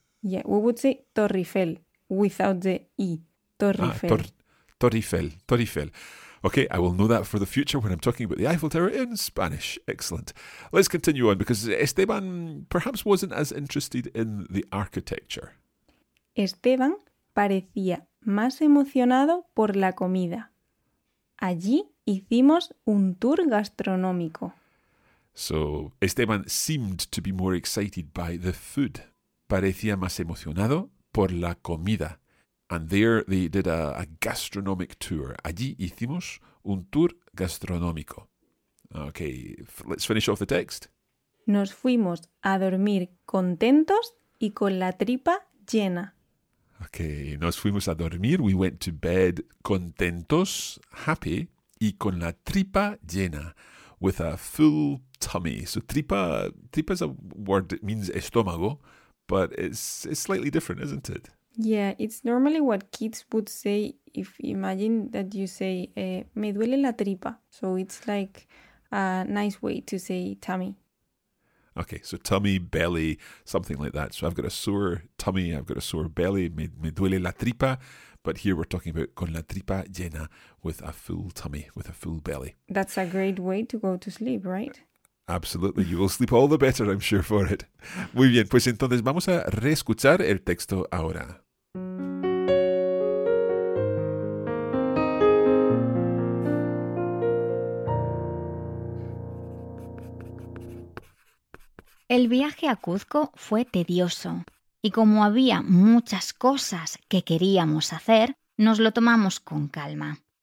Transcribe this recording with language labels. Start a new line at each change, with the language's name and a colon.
English: Yeah, we would say Torre Eiffel without the E.
Spanish: Torre Eiffel. Torre Eiffel.
English: Okay, I will know that for the future when I'm talking about the Eiffel Tower in Spanish. Excellent. Let's continue on, because Esteban perhaps wasn't as interested in the architecture.
Spanish: Esteban parecía más emocionado por la comida. Allí hicimos un tour gastronómico.
English: So Esteban seemed to be more excited by the food.
Spanish: Parecía más emocionado por la comida.
English: And there they did a gastronomic tour.
Spanish: Allí hicimos un tour gastronómico.
English: Okay, let's finish off the text.
Spanish: Nos fuimos a dormir contentos y con la tripa llena.
English: Okay,
Spanish: nos fuimos a dormir.
English: We went to bed contentos, happy,
Spanish: y con la tripa llena,
English: with a full tummy. So tripa is a word that means estómago, but it's slightly different, isn't it? Yeah, it's normally what kids would say if imagine that you say
Spanish: me duele la tripa.
English: So it's like a nice way to say tummy. Okay, so tummy, belly, something like that. So I've got a sore tummy, I've got a sore belly,
Spanish: me duele la tripa.
English: But here we're talking about
Spanish: con la tripa llena,
English: with a full tummy, with a full belly. That's a great way to go to sleep, right? Absolutely. You will sleep all the better, I'm sure, for it.
Spanish: Muy bien, pues entonces vamos a reescuchar el texto ahora. El viaje a Cuzco fue tedioso, y como había muchas cosas que queríamos hacer, nos lo tomamos con calma.